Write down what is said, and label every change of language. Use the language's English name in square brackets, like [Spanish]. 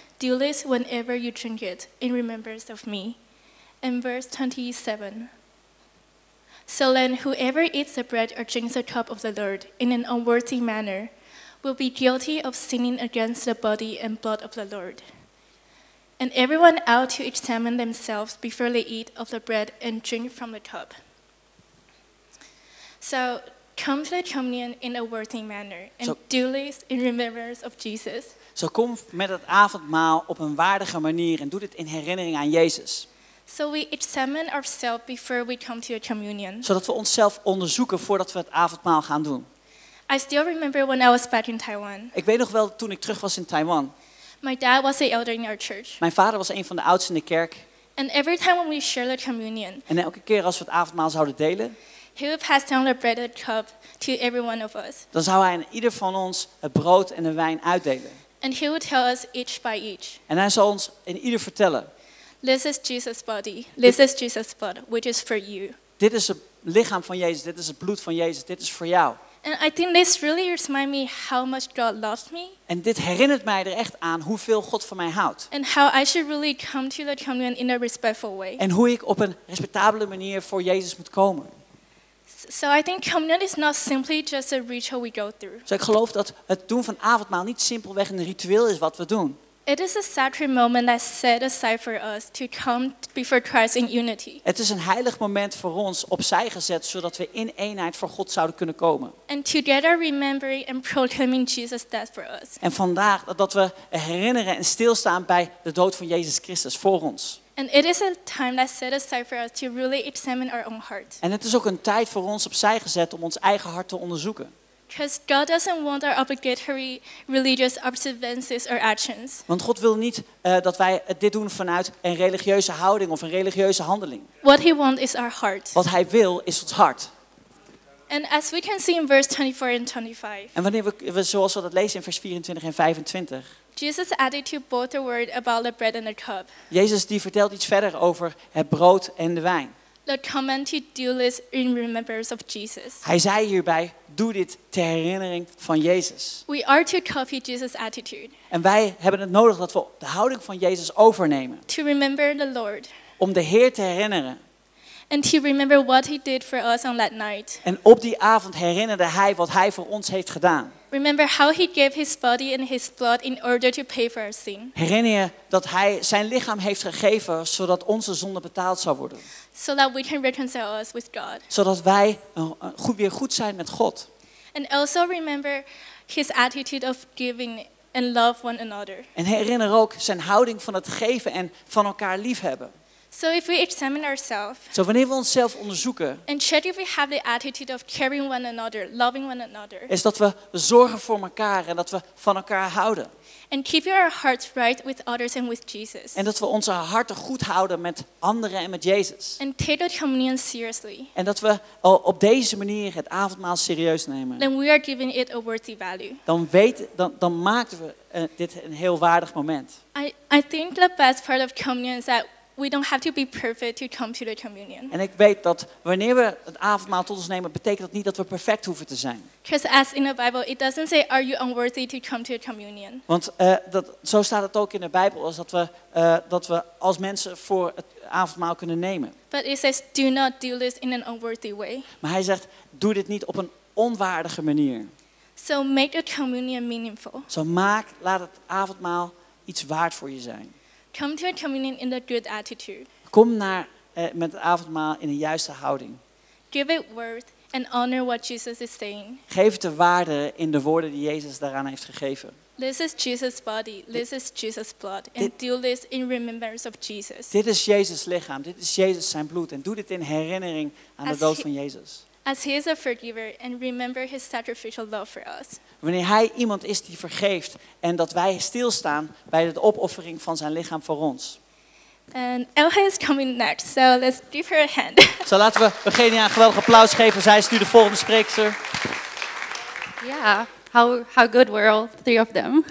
[English] Do this whenever you drink it, in remembrance of me." And verse 27, "So then whoever eats the bread or drinks the cup of the Lord in an unworthy manner will be guilty of sinning against the body and blood of the Lord. And everyone ought to examine themselves before they eat of the bread and drink from the cup." So come to the communion in a worthy manner and do this in remembrance of Jesus. [Dutch] Zo kom met het avondmaal op een waardige manier en doe dit in herinnering aan Jezus. [English] So we examine ourselves before we come to a communion. [Dutch] Zodat we onszelf onderzoeken voordat we het avondmaal gaan doen. [English] I still remember when I was back in Taiwan. [Dutch] Ik weet nog wel toen ik terug was in Taiwan. [English] My dad was the elder in our church. [Dutch] Mijn vader was een van de oudsten in de kerk. [English] And every time when we share the communion. [Dutch] En elke keer als we het avondmaal zouden delen. [English] He would pass down the bread and cup to every one of us. [Dutch] Dan zou hij aan ieder van ons het brood en de wijn uitdelen. [English] And he would tell us each by each. [Dutch] En hij zou ons in ieder vertellen. [English] This is Jesus' body. This is Jesus' blood, which is for you. [Dutch] Dit is het lichaam van Jezus. Dit is het bloed van Jezus. Dit is voor jou. [English] And I think this really reminds me how much God loves me. [Dutch] En dit herinnert mij er echt aan hoeveel God van mij houdt. [English] And how I should really come to the communion in a respectful way. [Dutch] En hoe ik op een respectabele manier voor Jezus moet komen. [English] So I think communion is not simply just a ritual we go through. [Dutch] Dus ik geloof dat het doen van avondmaal niet simpelweg een ritueel is wat we doen. [English] It is a sacred moment that's set aside for us to come before Christ in unity. [Dutch] Het is een heilig moment voor ons opzij gezet zodat we in eenheid voor God zouden kunnen komen. [English] And together remembering and proclaiming Jesus' death for us. [Dutch] En vandaag dat we herinneren en stilstaan bij de dood van Jezus Christus voor ons. [English] And it is a time that's set aside for us to really examine our own heart. [Dutch] En het is ook een tijd voor ons opzij gezet om ons eigen hart te onderzoeken. [English] Because God doesn't want our obligatory religious observances or actions. [Dutch] Want God wil niet dat wij dit doen vanuit een religieuze houding of een religieuze handeling. [English] What he wants is our heart. [Dutch] Wat hij wil is ons hart. [English] And as we can see in verse 24 and 25. [Dutch] En wanneer we zoals we dat lezen in vers 24 en 25. [English] Jesus added to both the word about the bread and the cup. [Dutch] Jezus die vertelt iets verder over het brood en de wijn. [English] The command to do this in remembrance of Jesus. [Dutch] Hij zei hierbij, doe dit ter herinnering van Jezus. [English] We are to copy Jesus' attitude. [Dutch] En wij hebben het nodig dat we de houding van Jezus overnemen. [English] To remember the Lord. [Dutch] Om de Heer te herinneren. [English] And to remember what he did for us on that night. [Dutch] En op die avond herinnerde hij wat hij voor ons heeft gedaan. [English] Remember how he gave his body and his blood in order to pay for our sin. [Dutch] Herinner je dat hij zijn lichaam heeft gegeven zodat onze zonde betaald zou worden. [English] So that we can reconcile us with God. [Dutch] Zodat wij weer goed zijn met God. [English] And also remember his attitude of giving and love one another. [Dutch] En herinner ook zijn houding van het geven en van elkaar liefhebben. [English] So if we examine ourselves. [Dutch] Zo wanneer we onszelf onderzoeken. [English] And check if we have the attitude of caring one another, loving one another. [Dutch] Is dat we zorgen voor elkaar en dat we van elkaar houden. [English] And keep your hearts right with others and with Jesus. [Dutch] En dat we onze harten goed houden met anderen en met Jezus. [English] And take the communion seriously. [Dutch] En dat we op deze manier het avondmaal serieus nemen. [English] Then we are giving it a worthy value. [Dutch] Dan maken we dit een heel waardig moment. [English] I think the best part of communion is that we don't have to be perfect to come to the communion. [Dutch] En ik weet dat wanneer we het avondmaal tot ons nemen, betekent dat niet dat we perfect hoeven te zijn. [English] Because as in the Bible, it doesn't say, are you unworthy to come to the communion? [Dutch] Want zo staat het ook in de Bijbel, is dat we als mensen voor het avondmaal kunnen nemen. [English] But it says, do not do this in an unworthy way. [Dutch] Maar hij zegt, doe dit niet op een onwaardige manier. [English] So make the communion meaningful. [Dutch] Zo laat het avondmaal iets waard voor je zijn. [English] Come to a communion in a good attitude. [Dutch] Kom naar met het avondmaal in een juiste houding. [English] Give it worth and honor what Jesus is saying. [Dutch] Geef het de waarde in de woorden die Jezus daaraan heeft gegeven. [English] This is Jesus' body. This is Jesus' blood. And do this in remembrance of Jesus. [Dutch] Dit is Jezus' lichaam. Dit is Jezus zijn bloed. En doe dit in herinnering aan de dood van Jezus. [English] As he is a forgiver and remember his sacrificial love for us. [Dutch] Wanneer hij iemand is die vergeeft en dat wij stilstaan bij de opoffering van zijn lichaam voor ons. [English] And Elga is coming next, so let's give her a hand. [Dutch] Zo laten we Eugenia een geweldig applaus geven. Zij is nu de volgende spreekster. [English] Yeah, how good were all three of them.